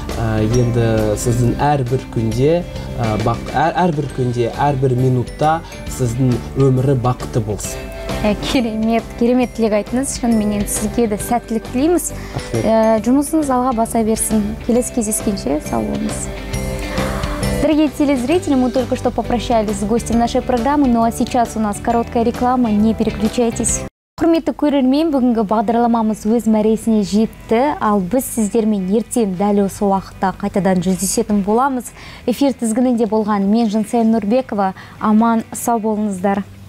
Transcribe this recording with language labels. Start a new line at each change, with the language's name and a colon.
Kazakh: Енді сіздің әрбір күнде, әрбір күнде, әрбір минутта сіздің өмірі бақыты болсын. Керемет, керемет тілек айтыңыз. Шынменен сізге де сәттілік тілейміз. Жұмысыңыз алға баса берсін. Келесі кездескенше, сау болыңыз.
Russian: Дорогие телезрители, мы только что попрощались с гостем нашей программы, ну а сейчас у нас короткая реклама, не переключайтесь.
Kazakh: Құрметті көрермен, бүгінгі бағдарламамыз өз мәресіне жетті, ал біз сіздермен ертең дәл осы уақытта қайтадан жүздесетін боламыз. Эфир тізгінінде болған мен Жансая Нұрбекова, аман сау болыңыздар.